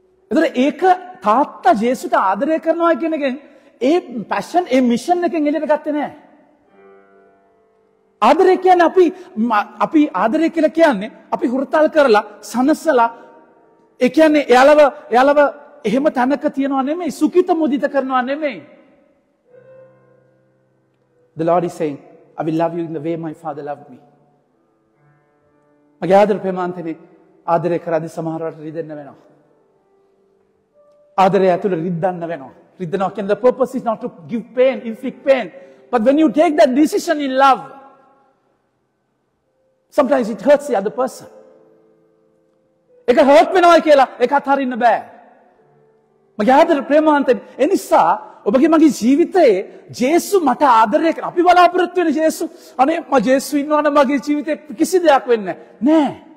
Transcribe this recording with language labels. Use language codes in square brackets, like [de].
[si] ඒතර ඒක තාත්තා ජේසුට ආදරය කරනවා කියන එකෙන් ඒ passion, ඒ mission එකෙන් එලියට ගත්තේ නැහැ. ආදරය කියන්නේ අපි ආදරය කියලා කියන්නේ අපි හුරතල් කරලා සනසලා ඒ කියන්නේ එයාලව එහෙම තැනක තියනවා නෙමෙයි සුඛිත මුදිත කරනවා නෙමෙයි. [en] The Lord is saying, I will love you in the way my father loved me. [si] මගේ ආදර ප්‍රේමාන්තනේ ආදරය කරද්දී සමහර වෙලාවට රිදෙන්න වෙනවා. ආදරය ඇතුළ රිද්දන්න වෙනවා. රිද්දනවා කියන්නේ [en] the purpose is not to give pain, inflict pain. But when you take that decision in love, sometimes it hurts the other person. [si] ඒක hurt වෙනවා කියලා ඒක අතහරින්න බෑ. මගේ ආදර ප්‍රේමාන්තනේ ඒ නිසා ඔබගේ මගේ ජීවිතයේ ජේසු මට ආදරය කරන අපි බලාපොරොත්තු වෙන ජේසු අනේ මා ජේසු ඉන්නවා නම් මගේ ජීවිතේ කිසි දෙයක් වෙන්නේ නැහැ.